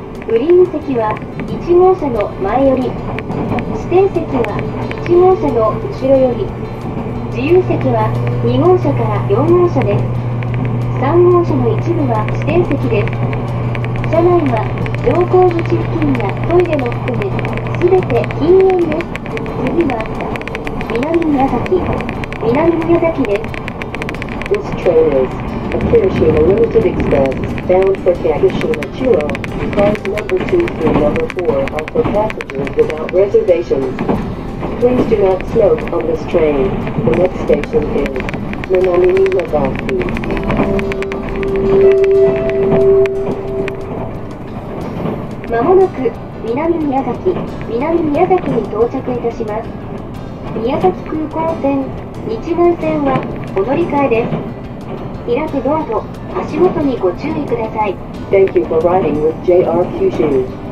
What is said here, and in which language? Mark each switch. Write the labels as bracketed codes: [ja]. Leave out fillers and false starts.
[ja] グリーン席は1号車の前寄り、指定席は1号車の後ろ寄り、自由席は2号車から4号車です。 3号車の一部は指定席です。車内は乗降口付近やトイレも含め全て禁煙です。次は南宮崎です。 [en] This train is a Kirishima Limited Express bound for Kagoshima Chuo. Cars number 2 through number 4 are for passengers without reservations. Please do not smoke on this train. The next station is Minami-Nagaki. [ja] まもなく南宮崎に到着いたします。宮崎空港線、日南線はお乗り換えです。開くドアと足元にご注意ください。 [en] Thank you for riding with JR Kyushu.